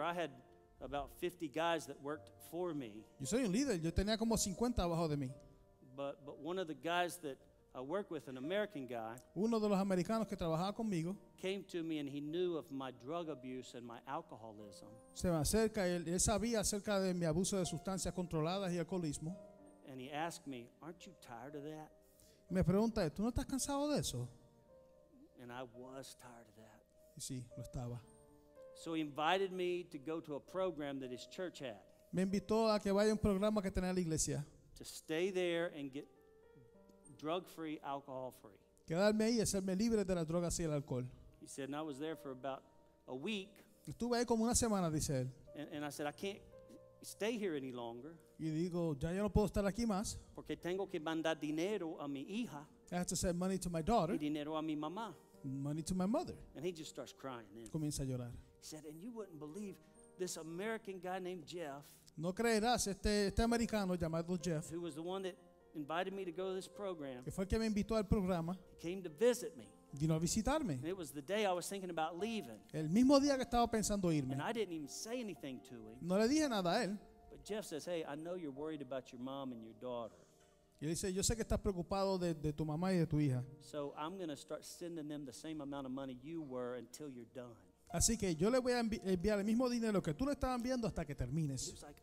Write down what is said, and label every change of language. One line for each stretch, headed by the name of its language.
English: I had about 50 guys that worked for me.
Spanish: Yo soy un líder. Yo tenía como 50 abajo de mí.
English: But one of the guys that I work with, an American guy,
Spanish: uno de los americanos que trabajaba conmigo,
English: came to me and he knew of my drug abuse and my alcoholism.
Spanish: Se me acerca y él sabía acerca de mi abuso de sustancias controladas y alcoholismo.
English: And he asked me, aren't you tired of that?
Spanish: Me pregunta, ¿tú no estás cansado de eso?
English: And I was tired of that.
Spanish: Y sí, lo estaba.
English: So he invited me to go to a program that his church had.
Spanish: Me invitó a que vaya a un programa que tenía la iglesia.
English: To stay there and get drug-free, alcohol-free.
Spanish: Quedarme ahí y hacerme libre de las drogas y el alcohol.
English: He said, and I was there for about a week.
Spanish: Estuve ahí como una semana, dice él.
English: And I said, I can't stay here any longer.
Spanish: Y digo, ya yo no puedo estar aquí más. Porque tengo que mandar dinero a mi hija.
English: I have to send money to my daughter.
Spanish: Y dinero a mi mamá.
English: Money to my mother. And he just starts crying then.
Spanish: Comienza a llorar.
English: He said, and you wouldn't believe this American guy named Jeff.
Spanish: No creerás, este americano llamado Jeff.
English: Who was the one that invited me to go to this program.
Spanish: Que fue que me invitó al programa.
English: He came to visit me.
Spanish: Vino a visitarme.
English: And it was the day I was thinking about leaving.
Spanish: El mismo día que estaba pensando irme.
English: And I didn't even say anything to him.
Spanish: No le dije nada a él.
English: But Jeff says, "Hey, I know you're worried about your mom and your daughter."
Spanish: Y él dice, "Yo sé que estás preocupado de tu mamá y de tu hija."
English: So I'm going to start sending them the same amount of money you were until you're done.
Spanish: Así que yo le voy a enviar el mismo dinero que tú le estabas enviando hasta que termines.